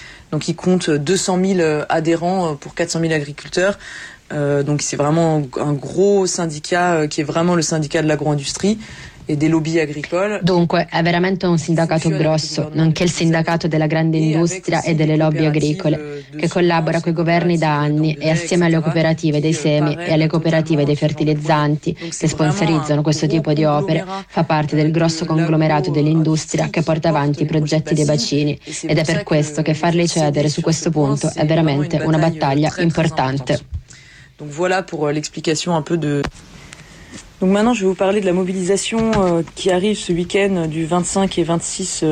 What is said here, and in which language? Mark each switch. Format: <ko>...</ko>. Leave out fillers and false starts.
<fr>Donc il compte 200.000 adhérents pour 400.000 agriculteurs. Donc c'est vraiment un gros syndicat qui est vraiment le syndicat de l'agro-industrie.</fr> <it>Dunque è veramente un sindacato grosso, nonché il sindacato della grande industria e delle lobby agricole, che collabora coi governi da anni e assieme alle cooperative dei semi e alle cooperative dei fertilizzanti che sponsorizzano questo tipo di opere, fa parte del grosso conglomerato dell'industria che porta avanti i progetti dei bacini, ed è per questo che farli cedere su questo punto è veramente una battaglia importante.</it> <fr>Donc voilà pour l'explication un peu de... Donc maintenant, je vais vous parler de la mobilisation qui arrive ce week-end du 25 et 26.</fr>